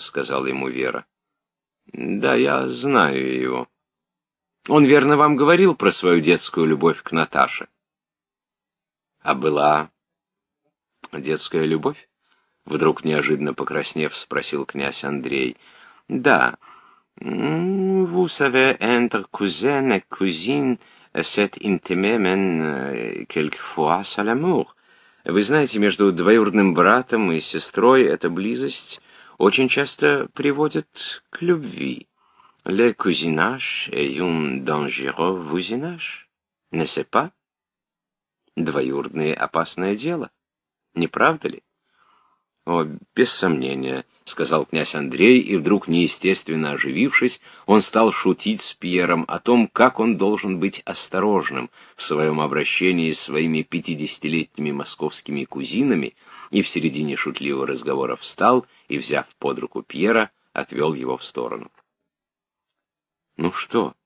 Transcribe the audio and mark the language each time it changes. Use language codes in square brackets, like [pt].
[ru] — сказала ему Вера. «Да, я знаю его. Он верно вам говорил про свою детскую любовь к Наташе?» «А была детская любовь?» — вдруг неожиданно покраснев, спросил князь Андрей. «Да. [fr] Vous savez, entre cousin et cousine, c'est intimement quelquefois à l'amour. [ru] Вы знаете, между двоюродным братом и сестрой эта близость очень часто приводит к любви. [fr] Le cousinage est un dangereux voisinage, n'est-ce pas? [ru] Двоюродные — опасное дело, не правда ли?» «О, без сомнения», — сказал князь Андрей, и вдруг, неестественно оживившись, он стал шутить с Пьером о том, как он должен быть осторожным в своем обращении с своими 50-летними московскими кузинами, и в середине шутливого разговора встал и, взяв под руку Пьера, отвел его в сторону. «Ну что?»